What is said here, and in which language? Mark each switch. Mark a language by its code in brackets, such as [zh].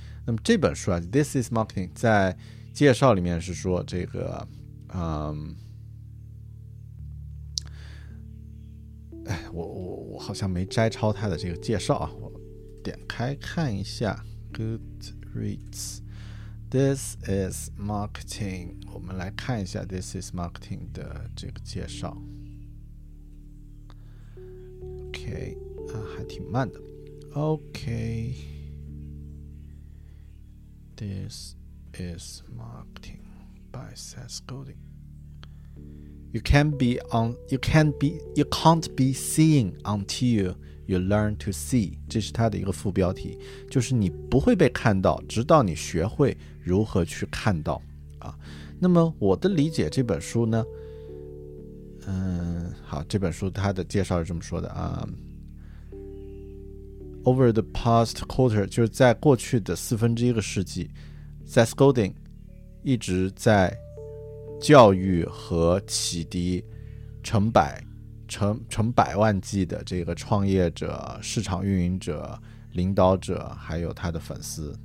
[zh] 那么这本书啊 This is Marketing 在介绍里面是说这个我好像没摘抄它的这个介绍啊，我点开看一下 Goodreads This is Marketing， 我们来看一下 This is Marketing 的这个介绍。 OK 还挺慢的。 [en] OK, This is Marketing by Seth Godin. You can't be seeing until you learn to see. [zh] 这是他的一个副标题，就是你不会被看到，直到你学会如何去看到。那么我的理解这本书呢，好，这本书它的介绍是这么说的啊。 [en] Over the past quarter, [zh] 就是在过去的四分之一个世纪， Seth Godin 一直在教育和启迪成百万计的这个创业者、市场运营者、领导者，还有他的粉丝。